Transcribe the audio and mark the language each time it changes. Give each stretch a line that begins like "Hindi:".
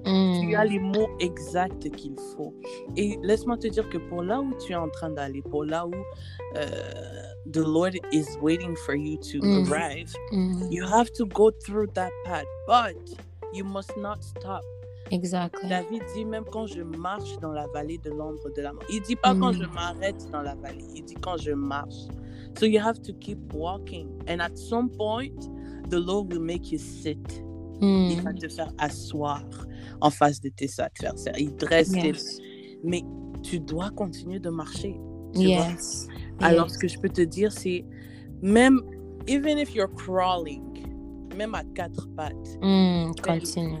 French: Tu as les mots exacts qu'il faut. Et laisse-moi te dire que pour là où tu es en train d'aller, pour là où
English: the Lord is waiting for you to arrive, you have to go through that path, but you must not stop. Exactly.
French: David dit même quand je marche dans la vallée de l'ombre de la mort. Il dit pas quand je m'arrête dans la vallée. Il dit quand je marche.
English: So you have to keep walking. And at some point, the Lord will make you sit. Mm.
French: Il va te faire asseoir en face de tes adversaires. Il dresse tes... Mais tu dois continuer de marcher.
English: Yes.
French: Alors, ce que je peux te dire, c'est même,
English: even if you're crawling,
French: même à quatre pattes, continue.